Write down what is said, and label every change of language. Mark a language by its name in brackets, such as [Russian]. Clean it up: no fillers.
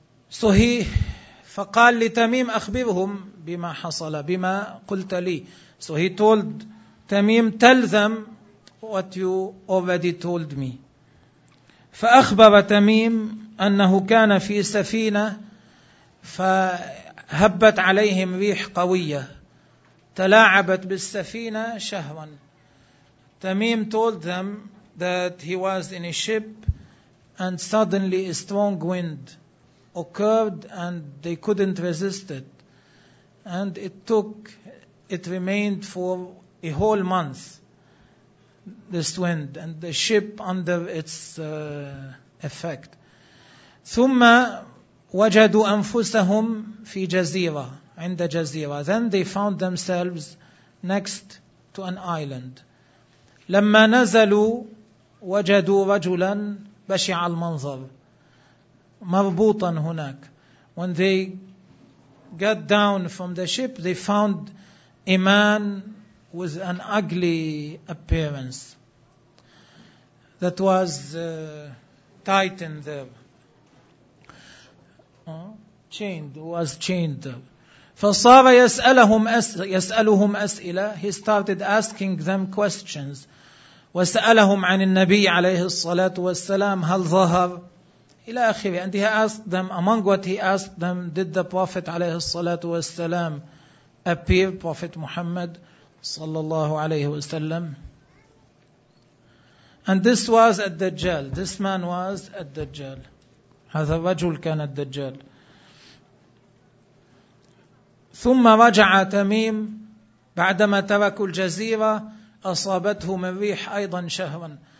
[English] So he [Arabic] فقال لتميم أخبرهم بما حصل بما قلت لي. [English] So he told تميم, tell them what you already told me. [Arabic] فأخبر تميم أنه كان في سفينة فهبت عليهم ريح قوية تلاعبت بالسفينة شهرا. [English] تميم told them that he was in a ship and suddenly a strong wind occurred and they couldn't resist it, and it remained for a whole month, this wind, and the ship under its effect. [Arabic] ثم وجدوا أنفسهم في جزيرة عند جزيرة. [English] Then they found themselves next to an island. [Arabic] لما نزلوا وجدوا رجلا بشع المنظر مربوطا هناك. [English] When they got down from the ship, they found a man with an ugly appearance. That was tightened there. Was chained. [Arabic] فَصَارَ يَسْأَلُهُمْ أَسْئِلَةً. [English] He started asking them questions. [Arabic] وَسَأَلَهُمْ عَنِ النَّبِيِّ عَلَيْهِ الصَّلَاةُ وَالسَّلَامُ هَلْ ظَهَرَ إِلَى آخِرِهِ. [English] And he asked them, among what he asked them, did the Prophet عليه الصلاة والسلام appear, Prophet Muhammad صلى الله عليه وسلم. And this was الدجال. This man was الدجال. [Arabic] هذا الرجل كان الدجال. ثم رجع تميم بعدما تركوا الجزيرة أصابته من ريح أيضا شهرا.